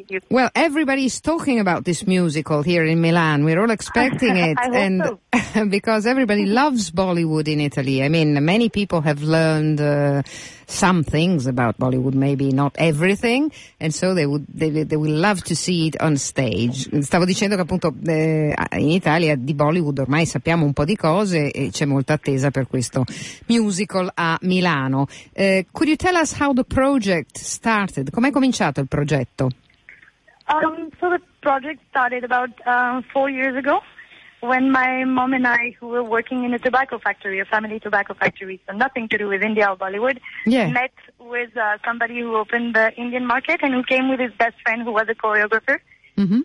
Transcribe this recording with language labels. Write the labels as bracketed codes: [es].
[en] Well, everybody is talking about this musical here in Milan. We're all expecting it. And because everybody loves Bollywood in Italy. I mean, many people have learned some things about Bollywood, maybe not everything, and so they would love to see it on stage. [it] Stavo dicendo che appunto in Italia di Bollywood ormai sappiamo un po' di cose e c'è molta attesa per questo musical a Milano. [en] Could you tell us how the project started? [it] Com'è cominciato il progetto? [en] So the project started about 4 years ago, when my mom and I, who were working in a tobacco factory, a family tobacco factory, so nothing to do with India or Bollywood, met with somebody who opened the Indian market and who came with his best friend, who was a choreographer. Mm-hmm.